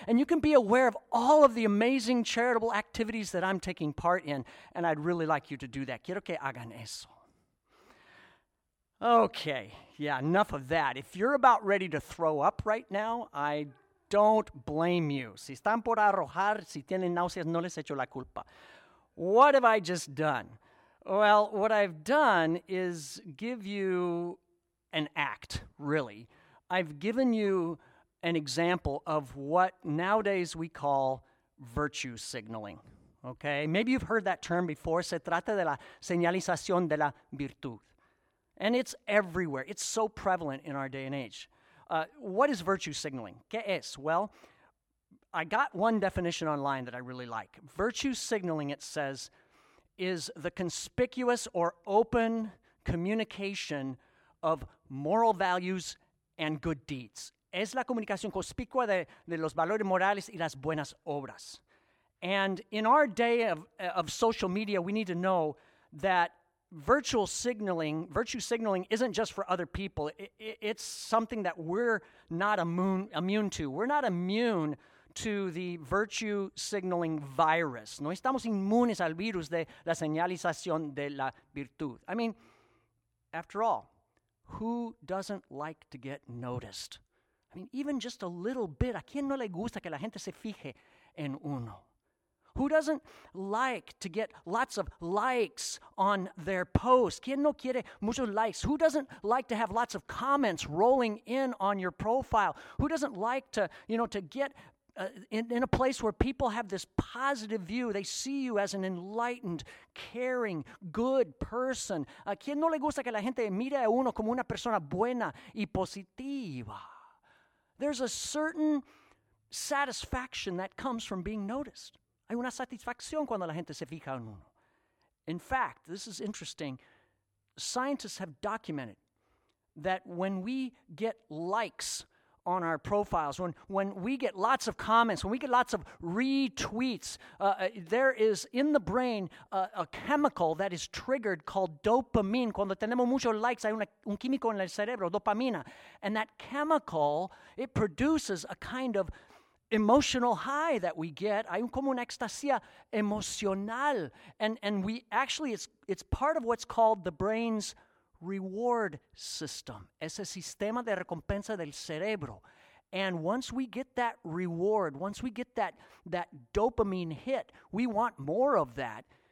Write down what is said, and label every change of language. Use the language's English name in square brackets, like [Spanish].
[English] And you can be aware of all of the amazing charitable activities that I'm taking part in. And I'd really like you to do that. [Spanish] Quiero que hagan eso. [English] Okay, yeah, enough of that. If you're about ready to throw up right now, I don't blame you. [Spanish] Si están por arrojar, si tienen náuseas, no les echo la culpa. [English] What have I just done? Well, what I've done is give you an act, really. I've given you an example of what nowadays we call virtue signaling, okay? Maybe you've heard that term before. [Spanish] Se trata de la señalización de la virtud. [English] And it's everywhere. It's so prevalent in our day and age. What is virtue signaling? [Spanish] ¿Qué es? [English] Well, I got one definition online that I really like. Virtue signaling, it says, is the conspicuous or open communication of moral values and good deeds. [Spanish] Es la comunicación conspicua de los valores morales y las buenas obras. [English] And in our day of social media, we need to know that virtue signaling isn't just for other people. It's something that we're not immune to. We're not immune to the virtue signaling virus. [Spanish] No estamos inmunes al virus de la señalización de la virtud. [English] I mean, after all, who doesn't like to get noticed? I mean, even just a little bit. [Spanish] ¿A quién no le gusta que la gente se fije en uno? [English] Who doesn't like to get lots of likes on their posts? [Spanish] ¿Quién no quiere muchos likes? [English] Who doesn't like to have lots of comments rolling in on your profile? Who doesn't like to, you know, to get in a place where people have this positive view? They see you as an enlightened, caring, good person. [Spanish] ¿Quién no le gusta que la gente mire a uno como una persona buena y positiva? [English] There's a certain satisfaction that comes from being noticed. [Spanish] Hay una satisfacción cuando la gente se fija en uno. [English] In fact, this is interesting. Scientists have documented that when we get likes on our profiles, when we get lots of comments, when we get lots of retweets, there is in the brain a chemical that is triggered called dopamine. [Spanish] Cuando tenemos muchos likes, hay un químico en el cerebro, dopamina. [English] And that chemical, it produces a kind of emotional high that we get. [Spanish] Hay como una extasia emocional. [English] And we actually, it's part of what's called the brain's reward system. [Spanish] Es el sistema de recompensa del cerebro. [English] And once we get that reward, once we get that dopamine hit, we want more of that.